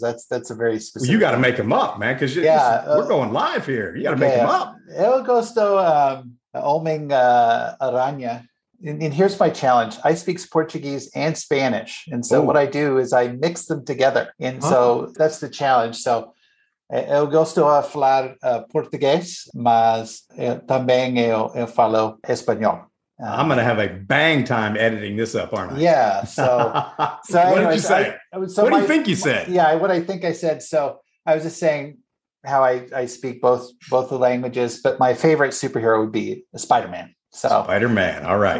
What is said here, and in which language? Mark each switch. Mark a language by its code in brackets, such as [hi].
[en] That's a very specific. Well, you got to make them up, man, because we're going live here. You got to make them up. El Gusto, Oming Araña. And here's my challenge. I speak Portuguese and Spanish. And so what I do is I mix them together. And so that's the challenge. [pt] So eu gosto de falar português, mas também eu falo espanhol. [en] I'm going to have a bang time editing this up, aren't I? Yeah. So what anyways, did you say? What do you think you said? What I think I said. So I was just saying how I speak both the languages, but my favorite superhero would be Spider-Man. Spider-Man. All right.